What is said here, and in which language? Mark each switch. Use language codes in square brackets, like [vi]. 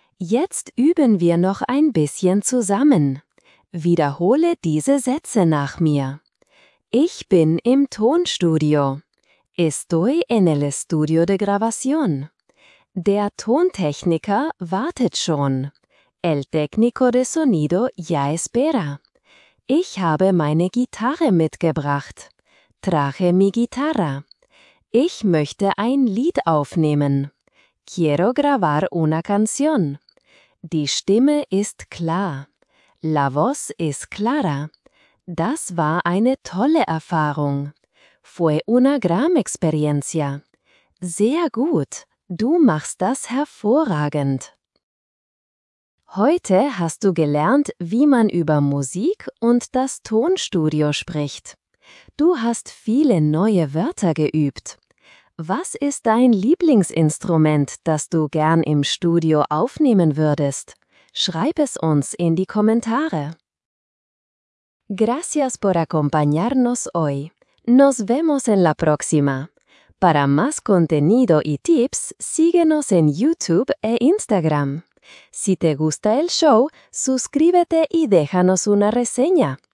[de] Jetzt üben wir noch ein bisschen zusammen. Wiederhole diese Sätze nach mir. Ich bin im Tonstudio. [es] Estoy en el estudio de grabación. [de] Der Tontechniker wartet schon. [es] El técnico de sonido ya espera. [de] Ich habe meine Gitarre mitgebracht. [es] Traje mi guitarra. [de] Ich möchte ein Lied aufnehmen. [es] Quiero grabar una canción. [de] Die Stimme ist klar. [es] La voz es clara. [de] Das war eine tolle Erfahrung. [es] Fue una gran experiencia. [de] Sehr gut. Du machst das hervorragend. Heute hast du gelernt, wie man über Musik und das Tonstudio spricht. Du hast viele neue Wörter geübt. Was ist dein Lieblingsinstrument, das du gern im Studio aufnehmen würdest? Schreib es uns in die Kommentare. [es] Gracias por acompañarnos hoy. Nos vemos en la próxima. Para más contenido y tips, síguenos en YouTube e Instagram. Si te gusta el show, suscríbete y déjanos una reseña.